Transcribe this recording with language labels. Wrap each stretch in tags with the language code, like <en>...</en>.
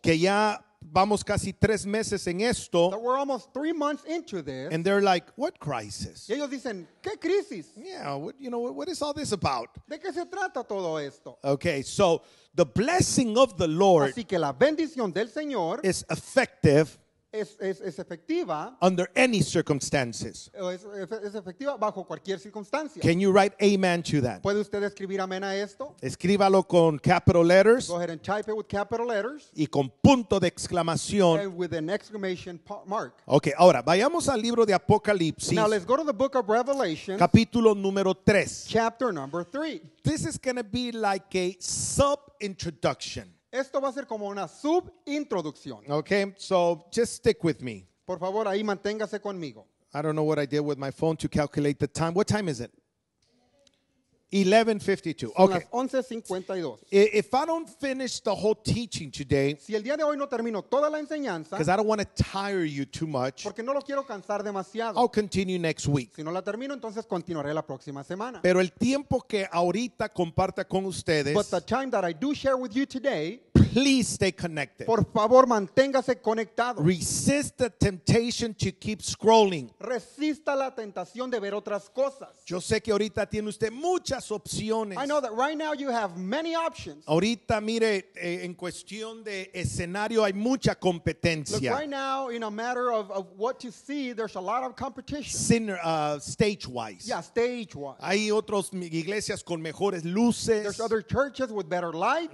<es>que ya vamos casi tres meses en esto,</es> <en>that we're almost 3 months into this, and they're like, what crisis?</en> <es>Y ellos dicen, ¿qué crisis?</es> <en>Yeah, what, you know, what is all this about?</en> <es>¿De qué se trata todo esto?</es> <en>Okay, so the blessing of the Lord,</en> <es>así que la bendición del Señor,</es> <en>is effective,</en> <es>es efectiva,</es> <en>under any circumstances,</en> <es>es efectiva bajo cualquier circunstancia.</es> <en>Can you write amen to that?</en> <es>¿Puede usted escribir amén a esto? Escríbalo con</es> <en>capital letters. Go ahead and type it with capital letters.</en> <es>Y con punto de exclamación.</es> <en>And with an exclamation mark.</en> <es>Okay, ahora vayamos al libro de Apocalipsis.</es> <en>Now let's go to the book of Revelation.</en> <es>Capítulo número 3.</es> <en>Chapter number 3. This is going to be like a sub introduction.</en> <es>Esto va a ser como una subintroducción.</es> <en>Okay, so just stick with me.</en> <es>Por favor, ahí manténgase conmigo.</es> <en>I don't know what I did with my phone to calculate the time. What time is it? 11:52. Okay.</en> <es>Las 11:52.</es> <en>If I don't finish the whole teaching today,</en> <es>si el día de hoy no termino toda la enseñanza,</es> <en>because I don't want to tire you too much,</en> <es>porque no lo quiero cansar demasiado,</es> <en>I'll continue next week.</en> <es>Si no la termino, entonces continuaré la próxima semana. Pero el tiempo que ahorita comparta con ustedes,</es> <en>but the time that I do share with you today, please stay connected.</en> <es>Por favor, manténgase conectado.</es> <en>Resist the temptation to keep scrolling.</en> <es>Resista la tentación de ver otras cosas. Yo sé que ahorita tiene usted muchas opciones.</es> <en>I know that right now you have many options.</en> <es>Ahorita, mire, en cuestión de escenario hay mucha competencia.</es> <en>Look, right now, in a matter of what to see, there's a lot of competition. Stage-wise. Yeah, stage-wise.</en> <es>Hay otras iglesias con mejores luces.</es> <en>There's other churches with better lights.</en>